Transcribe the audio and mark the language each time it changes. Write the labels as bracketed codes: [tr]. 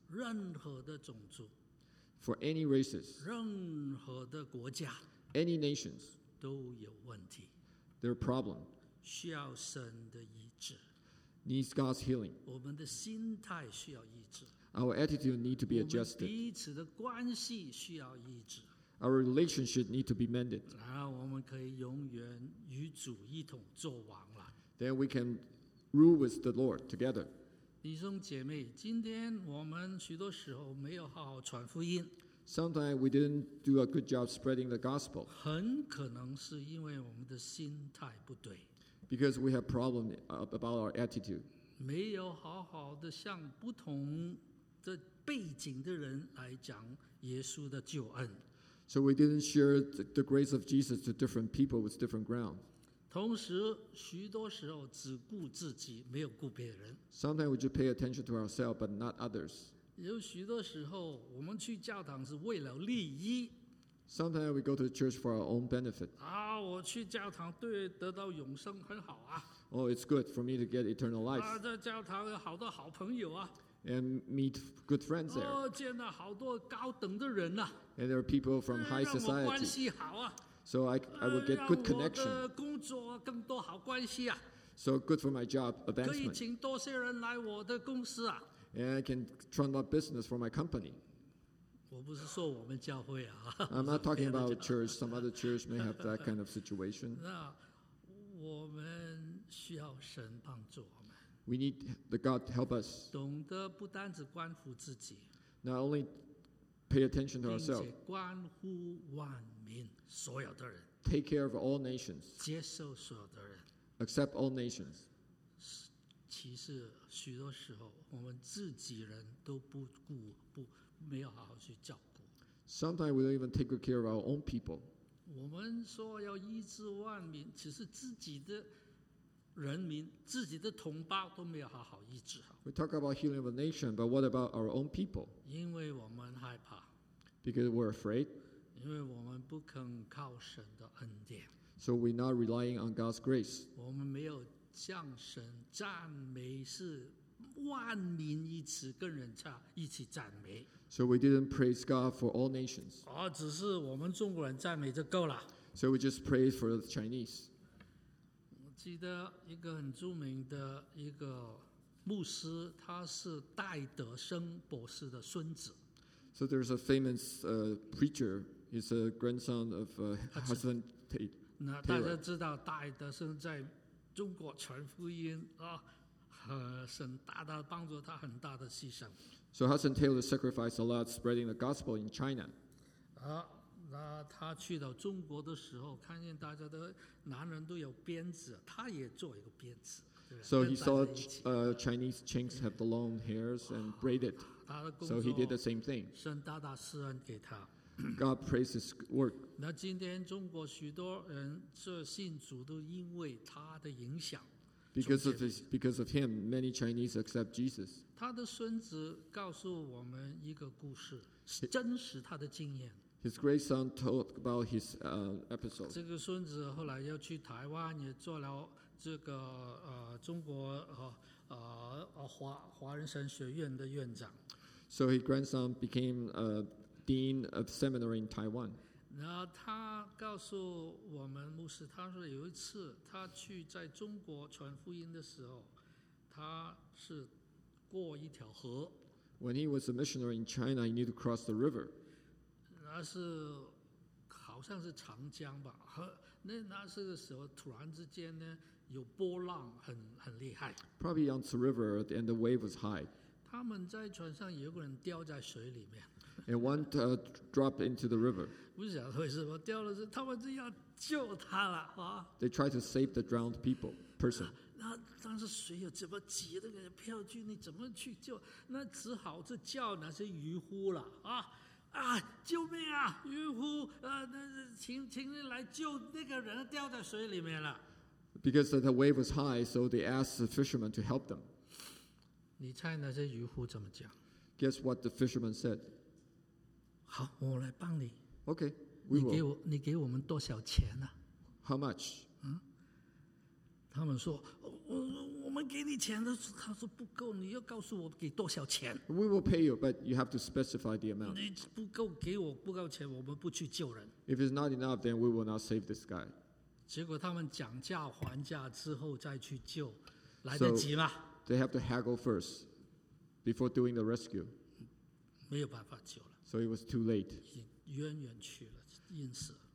[zh] 任何的种族。 [en] For any races. [zh] 任何的国家。 [en] Any nations. [zh] 都有问题。 [en] Their problem. [zh] 需要神的医治。 [en] Needs God's healing. [zh] 我们的心态需要医治。 [en] Our attitude needs to be adjusted. [zh] 我们彼此的关系需要医治。 [en] Our relationship needs to be mended. [zh] 然后我们可以永远与主一同作王了。 [en] Then we can rule with the Lord together. [zh] 弟兄姐妹，今天我们许多时候没有好好传福音。 [en] Sometimes we didn't do a good job spreading the gospel. [zh] 很可能是因为我们的心态不对。 [en] Because we have problem about our attitude. [zh] 没有好好的向不同的背景的人来讲耶稣的救恩。 [en] So we didn't share the grace of Jesus to different people with different ground. [zh] 同时许多时候只顾自己没有顾别人。 [en] Sometimes we just pay attention to ourselves but not others. [zh] 有许多时候我们去教堂是为了利益。 [en] Sometimes we go to the church for our own benefit. [zh] 啊，我去教堂对得到永生很好啊。 [en] Oh, it's good for me to get eternal life. [zh] 啊，在教堂有好多好朋友啊。 [en] And meet good friends there. [zh] 哦，见到好多高等的人啊。 [en] And there are people from high society. [zh] 让我关系好啊。 [en] So I will get good connection. [zh] 让我的工作更多好关系啊。 [en] So good for my job advancement. [zh] 可以请多些人来我的公司啊。 [en] And I can turn up business for my company. [zh] 我不是说我们教会啊。 [en] I'm not talking about church. Some other church may have that kind of situation. [zh] 那我们需要神帮助我们。 [en] We need the God to help us. [zh] 懂得不单只关乎自己。 [en] Not only pay attention to ourselves. [zh] 并且关乎万民所有的人。 [en] Take care of all nations. [zh] 接受所有的人。 [en] Accept all nations. [zh] 其实许多时候我们自己人都不顾不。没有好好去照顾。 [en] Sometimes we don't even take good care of our own people. [zh] 我们说要医治万民，其实自己的人民、自己的同胞都没有好好医治。 [en] We talk about healing of a nation, but what about our own people? [zh] 因为我们害怕。 [en] Because we're afraid. [zh] 因为我们不肯靠神的恩典。 [en] So we're not relying on God's grace. [zh] 我们没有向神赞美是万民一起跟人家一起赞美。 [en] So we didn't praise God for all nations. [zh] 只是我们中国人赞美就够了。 [en] So we just praise for the Chinese. [zh] 我记得一个很著名的一个牧师，他是戴德生博士的孙子。 [en] So there's a famous preacher. He's a grandson of Hudson Taylor. [zh] 那大家知道戴德生在中国传福音啊，神大大帮助他很大的牺牲。 [en] So Hudson Taylor sacrificed a lot spreading the gospel in China. [zh] 那他去到中国的时候，看见大家的男人都有鞭子，他也做一个鞭子。 [en] So he saw Chinese chinks have the long hairs and braided. So he did the same thing. [zh] 神大大施恩给他。 [en] God praised his work. [zh] 那今天中国许多人这信主都因为他的影响。 [en] Because of him, many Chinese accept Jesus. [zh] 他的孙子告诉我们一个故事，真实他的经验。 [en] His great son told about his episode. [zh] 这个孙子后来要去台湾，也做了这个中国华人神学院的院长。 [en] So his grandson became a dean of seminary in Taiwan. [zh] 然后他告诉我们牧师，他说有一次他去在中国传福音的时候，他是过一条河。 [en] When he was a missionary in China, he needed to cross the river. [zh] 那是好像是长江吧？那是个时候突然之间呢有波浪很厉害。 [en] Probably on the river, and the wave was high. [zh] 他们在船上有个人掉在水里面。 [en] And one dropped into the river. [zh] 不晓得为什么掉了，是他们就要救他了啊。 [en] They tried to save the drowned people person. [zh] 那当时水又怎么急，那个漂去，你怎么去救？那只好就叫那些渔夫了啊啊！救命啊，渔夫啊，那请你来救那个人掉在水里面了。 [en] Because the wave was high, so they asked the fishermen to help them. [zh] 你猜那些渔夫怎么讲 [en] ？Guess what the fishermen said. [zh] 好，我来帮你。 [en] Okay, we will. [zh] 你给我们多少钱呢、啊、 [en] ？How much？ [zh] 他们说，我们给你钱的，他说不够，你要告诉我给多少钱。 [en] We will pay you, but you have to specify the amount. [zh] 你不够给我不够钱，我们不去救人。 [en] If it's not enough, then we will not save this guy. [zh] 结果他们讲价还价之后再去救，来得及吗 [en] ？So they have to haggle first before doing the rescue. [zh] 没有办法救。 [en] So it was too late. [zh] 远远去了，淹死了。